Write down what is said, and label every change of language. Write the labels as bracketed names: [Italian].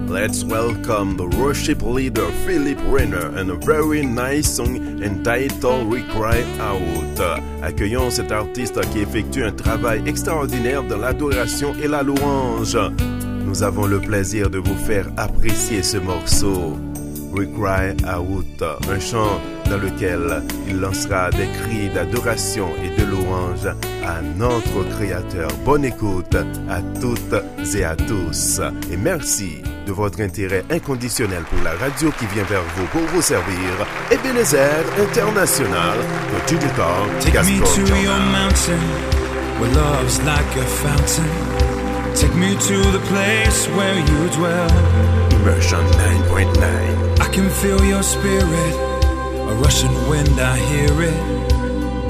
[English] Let's welcome the worship leader Philip Rayner and a very nice song entitled We Cry Out. [French] Accueillons cet artiste qui effectue un travail extraordinaire de l'adoration et la louange. Nous avons le plaisir de vous faire apprécier ce morceau. We Cry Out, un chant dans lequel il lancera des cris d'adoration et de louange à notre Créateur. Bonne écoute à toutes et à tous. Et merci de votre intérêt inconditionnel pour la radio qui vient vers vous pour vous servir. Ebenezer International, le Digital Gospel Channel. [English] Take me to your mountain, where love's like a fountain. Take me to the place where you dwell. Immersion 9.9. I can feel your spirit, a rushing wind, I hear it.